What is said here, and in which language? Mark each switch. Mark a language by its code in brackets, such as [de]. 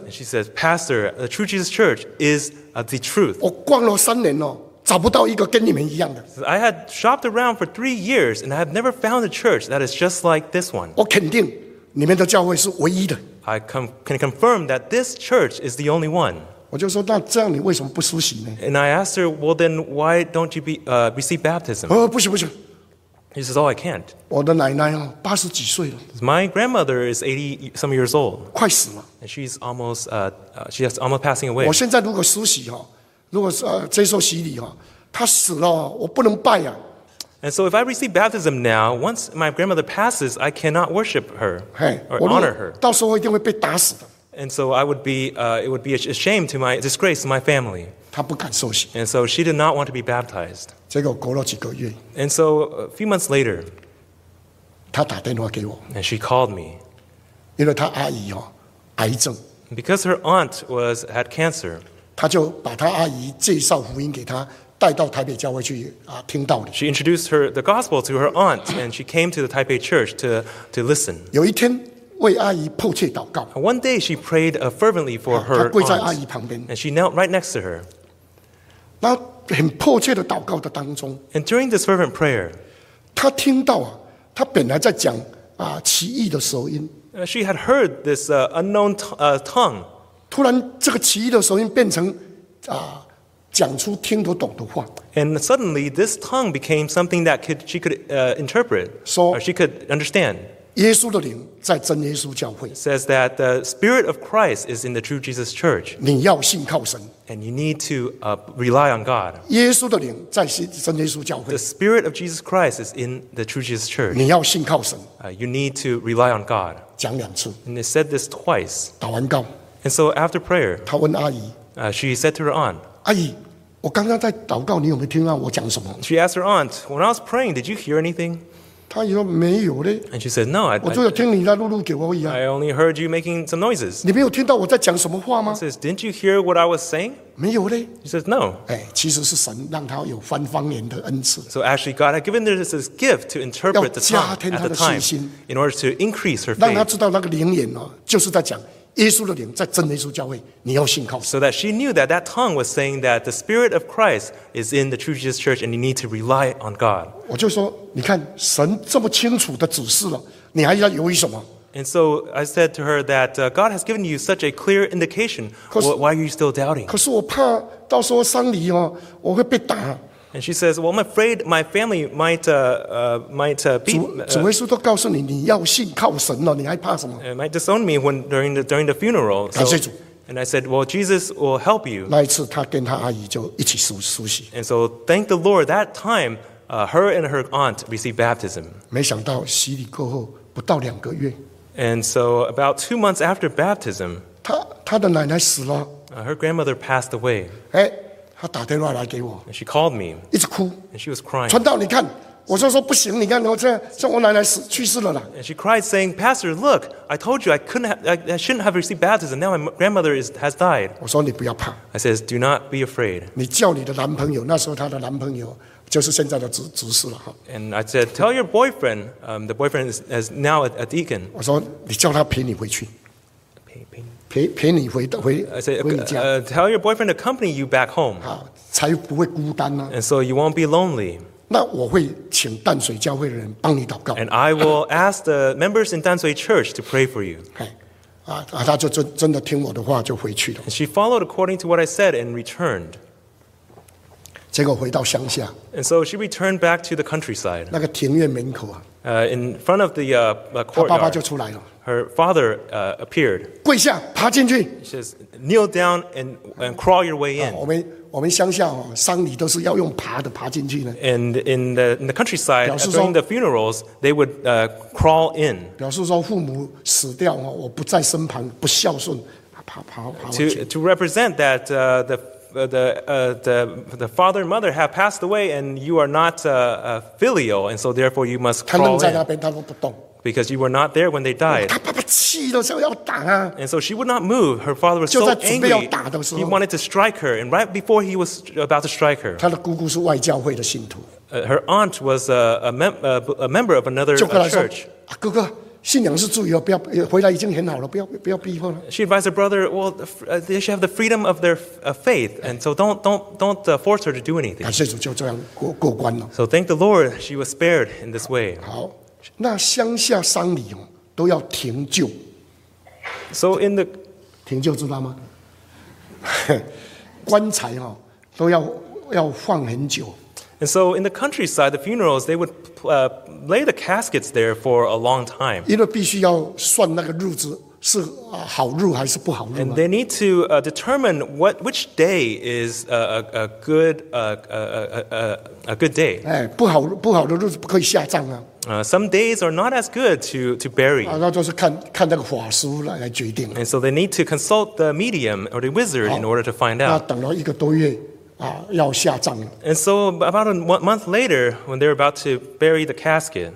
[en] And she says, Pastor, the True Jesus Church is the truth. [zh] 我逛了三年哦, 找不到一个跟你们一样的。 [en] I had shopped around for 3 years, and I have never found a church that is just like this one. [zh] 我肯定你们的教会是唯一的。 [en] I can confirm that this church is the only one. [zh] 我就说, 那这样你为什么不施洗呢? [en] And I asked her, well then, why don't you receive baptism? [zh] 哦, 不行不行。 [en] He says, oh, I can't. [zh] 我的奶奶啊，八十几岁了。 [en] My grandmother is 80 some years old. [zh] 快死了。 [en] And she's almost, she has almost passing away. [zh] 我现在如果施洗啊，如果接受洗礼啊，她死了，我不能拜啊。 [en] And so if I receive baptism now, once my grandmother passes, I cannot worship her or honor her. [zh] 到时候一定会被打死的。 [en] And so I would be, it would be a shame to my disgrace to my family. [zh] 她不敢受洗。 [en] And so she did not want to be baptized. [zh] 结果过了几个月 [en] And so a few months later, [zh] 她打电话给我 [en] And she called me. [zh] 因为她阿姨哦，癌症 [en] Because her aunt had cancer. [zh] 她就把她阿姨介绍福音给她，带到台北教会去听道理 [en] She introduced the gospel to her aunt, and she came to the Taipei church to listen. [zh] 有一天为阿姨迫切祷告 [en] One day she prayed fervently for her aunt. [zh] 她跪在阿姨旁边 [en] And she knelt right next to her. [zh] 那很迫切的祷告的当中 [en] And during this fervent prayer, [zh] 她听到啊，她本来在讲啊奇异的舌音 [en] She had heard this unknown tongue. [zh] 突然这个奇异的舌音变成啊讲出听得懂的话 [en] And suddenly this tongue became something that she could interpret. So, or she could understand. [zh] 耶稣的灵在真耶稣教会 [en] says that the Spirit of Christ is in the True Jesus Church. [zh] 你要信靠神。 [en] And you need to rely on God. [zh] 耶稣的灵在真耶稣教会。 [en] The Spirit of Jesus Christ is in the True Jesus Church. [zh] 你要信靠神。 [en] You need to rely on God. [zh] 讲两次。 [en] And they said this twice. [zh] 祷完告。 [en] And so after prayer, [zh] 她问阿姨。 [en] She said to her aunt, [zh] 阿姨，我刚刚在祷告，你有没有听到我讲什么？ [en] She asked her aunt, when I was praying, did you hear anything? [zh] 她说没有嘞。 [en] And she said, no. [zh] 我就听你在录录给我一样。 [en] I only heard you making some noises. [zh] 你没有听到我在讲什么话吗？ [en] Says, didn't you hear what I was saying? [zh] 没有嘞。 [en] She says, no. [zh] 哎，其实是神让她有翻方言的恩赐。 [en] So actually, God had given her this gift to interpret the tongue at the time, in order to increase her faith. [zh] 让她知道那个灵言哦，就是在讲耶稣的灵在真耶稣教会，你要信靠。 [en] So that she knew that that tongue was saying that the Spirit of Christ is in the True Jesus Church, and you need to rely on God. [zh] 我就说，你看神这么清楚的指示了，你还要犹豫什么？ [en] And so I said to her that God has given you such a clear indication. Why are you still doubting? [zh] 可是我怕到时候丧礼哦，我会被打。 [en] And she says, "Well, I'm afraid my family might disown me when during the funeral." So, and I said, "Well, Jesus will help you." [zh] 那一次，她跟她阿姨就一起梳洗。 [en] And so, thank the Lord that time, her and her aunt received baptism. [zh] 没想到洗礼过后不到两个月。 [en] And so about 2 months after baptism, [zh] 她的奶奶死了, [en] her grandmother passed away. [zh] 诶, 她打电话来给我, [en] and she called me. [zh] 一直哭, [en] and she was crying. [zh] 传道你看, 我就说不行, 你看, 我这我奶奶死去世了啦, [en] and she cried saying, Pastor, look, I told you I shouldn't have received baptism. Now my grandmother has died. [zh] 我说你不要怕, [en] I says, do not be afraid. [zh] 你叫你的男朋友, 那时候她的男朋友, 就是现在的执事了, [en] and I said, tell your boyfriend, the boyfriend is now a deacon. [zh] 我说你叫他陪你回去, 陪你回, [en] I said, tell your boyfriend to accompany you back home. [zh] 才不会孤单啊, [en] and so you won't be lonely. [zh] 那我会请淡水教会的人帮你祷告, [en] and I will ask the members in Dan Sui Church to pray for you. [zh] 她就真的听我的话, [en] and she followed according to what I said and returned. [zh] 结果回到乡下, [en] and so she returned back to the countryside. [zh] 那个庭院门口啊, [en] in front of the courtyard, [zh] 她爸爸就出来了, [en] her father appeared. [zh] 跪下, 爬进去, [en] she says, kneel down and crawl your way in. [zh] 我们乡下哦, 丧礼都是要用爬的, [en] and in the countryside, [zh] 表示说, [en] during the funerals, they would crawl in. [zh] 表示说父母死掉哦, 我不在身旁, 不孝顺, 爬, [en] to represent that the father and mother have passed away, and you are not filial, and so therefore you must crawl [zh] 他们在那边, [en] in. [zh] 他们不动, [en] because you were not there when they died. [zh] 他爸爸气了,想要打啊, [en] and so she would not move. Her father was so angry. He wanted to strike her, and right before he was about to strike her, [zh] 他的姑姑是外教会的信徒, [en] her aunt was a member of another [zh] 就跟他说, [en] church. [zh] 哥哥, 信仰是自由, 不要, 回来已经很好了, 不要, 不要逼迫了, [en] she advised her brother, well, they should have the freedom of their faith, and so don't force her to do anything. [zh] 感谢主就这样过关了, [en] so thank the Lord she was spared in this way. [zh] 好, 那乡下丧礼, 哦, 都要停救, [en] so in the [zh] 停救知道吗? 棺材, 哦, 都要放很久, [en] and so in the countryside, the funerals, they would lay the caskets there for a long time. [zh] 因为必须要算那个日子, 是, 啊, 好日还是不好日吗? [en] And they need to determine which day is a good day. [zh] 哎, 不好的日子不可以下葬啊。 [en] Some days are not as good to bury. [zh] 啊, 那就是看那个法师来决定。 [en] And so they need to consult the medium or the wizard [zh] 好, [en] in order to find out. [zh] 那等了一个多月, 啊, 要下葬。 [en] And so about a month later, when they're about to bury the casket,